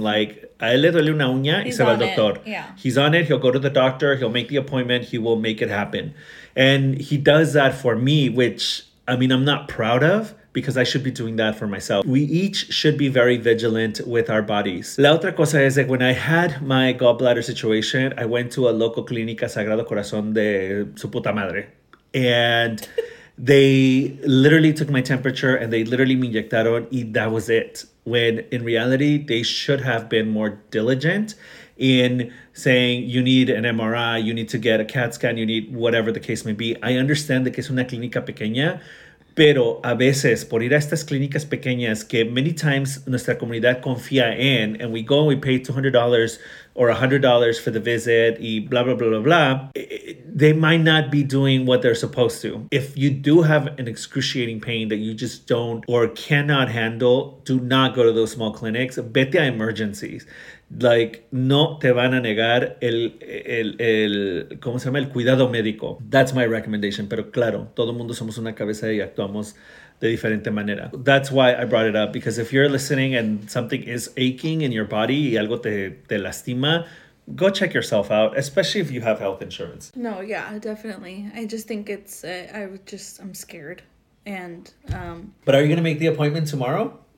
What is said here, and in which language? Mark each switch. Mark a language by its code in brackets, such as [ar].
[es] Like, a él le duele una uña y se va al doctor. [en] Yeah. He's on it. He'll go to the doctor. He'll make the appointment. He will make it happen. And he does that for me, which, I mean, I'm not proud of, because I should be doing that for myself. We each should be very vigilant with our bodies. [es] La otra cosa es [en] that when I had my gallbladder situation, I went to a local clínica Sagrado Corazón [es] de su puta madre. [en] And they literally took my temperature and they literally [es] me inyectaron, y [en] that was it. When in reality, they should have been more diligent in saying, you need an MRI, you need to get a CAT scan, you need whatever the case may be. I understand that it's [es] una clínica pequeña, pero a veces, por ir a estas clínicas pequeñas que [en] many times [es] nuestra comunidad confía en, [en] and we go and we pay $200 or $100 for the visit, y blah, blah, blah, blah, blah, they might not be doing what they're supposed to. If you do have an excruciating pain that you just don't or cannot handle, do not go to those small clinics. [es] Vete a emergencies. Like, no te van a negar el ¿cómo se llama? El cuidado médico. [en] That's my recommendation. [es] Pero claro, todo mundo somos una cabeza y actuamos de diferente manera. [en] That's why I brought it up. Because if you're listening and something is aching in your body [es] y algo te lastima, [en] go check yourself out, especially if you have health insurance. No, yeah, definitely. I just think it's, I'm scared. And, But are you going to make the appointment tomorrow?